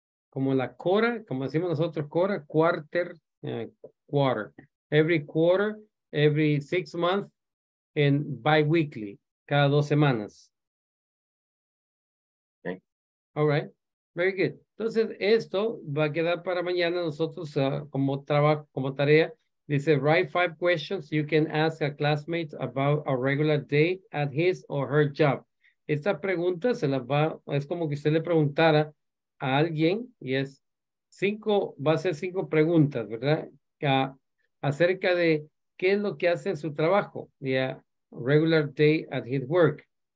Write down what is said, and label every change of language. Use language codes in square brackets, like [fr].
[es] Como la cora, como decimos nosotros, cora, quarter, quarter. [en] Every quarter, every 6 months, and bi-weekly, [es] cada 2 semanas. [en] Okay. All right. Very good. [es] Entonces, esto va a quedar para mañana nosotros como tarea. [en] Dice, write 5 questions you can ask a classmate about a regular day at his or her job. [es] Esta pregunta se la va, es como que usted le preguntara a alguien, y es 5, va a ser 5 preguntas, ¿verdad? Acerca de qué es lo que hace en su trabajo, [en] regular day at his work.